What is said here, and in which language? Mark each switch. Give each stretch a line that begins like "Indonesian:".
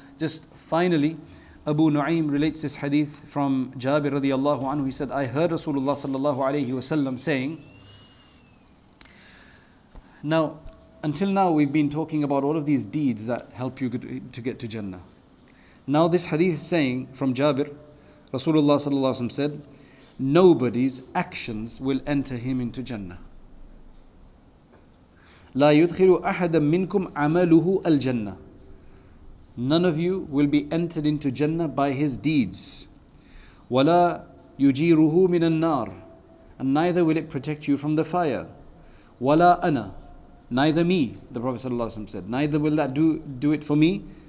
English: Just finally, Abu Nu'aym relates this hadith from Jabir radiallahu anhu. He said, I heard Rasulullah sallallahu alayhi wa sallam saying, now, Until now, we've been talking about all of these deeds that help you to get to Jannah. Now this hadith is saying from Jabir, Rasulullah sallallahu alaihi wasallam said, nobody's actions will enter him into Jannah.
Arabic: لا يدخل أحد منكم عمله الجنة.
English: None of you will be entered into Jannah by his deeds.
Arabic: ولا يجيره من النار.
English: And neither will it protect you from the fire.
Arabic: ولا أنا.
English: Neither me, the Prophet sallallahu alaihi wasallam said. Neither will that do it for me.